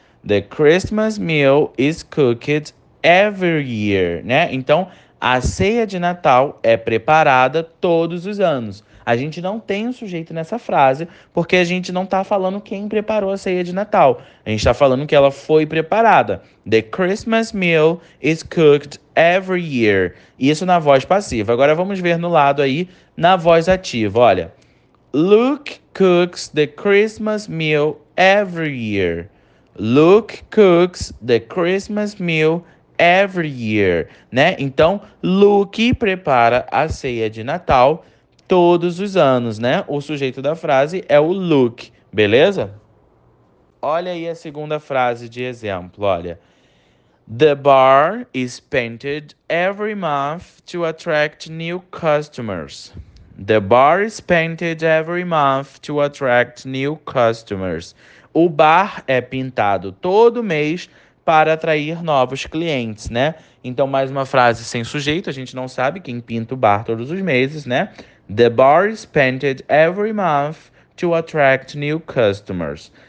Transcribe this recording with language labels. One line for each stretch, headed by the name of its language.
English: The Christmas meal is cooked every year,
Portuguese: né? Então, a ceia de Natal é preparada todos os anos. A gente não tem um sujeito nessa frase, porque a gente não está falando quem preparou a ceia de Natal. A gente está falando que ela foi preparada.
English: The Christmas meal is cooked every year.
Portuguese: Isso na voz passiva. Agora vamos ver no lado aí, na voz ativa. Olha:
English: Luke cooks the Christmas meal every year. Luke cooks the Christmas meal every year,
Portuguese: né? Então, Luke prepara a ceia de Natal todos os anos, né? O sujeito da frase é o look, beleza? Olha aí a segunda frase de exemplo, olha.
English: The bar is painted every month to attract new customers. The bar is painted every month to attract new customers.
Portuguese: O bar é pintado todo mês para atrair novos clientes, né? Então, mais uma frase sem sujeito, a gente não sabe quem pinta o bar todos os meses, né?
English: The bar is painted every month to attract new customers.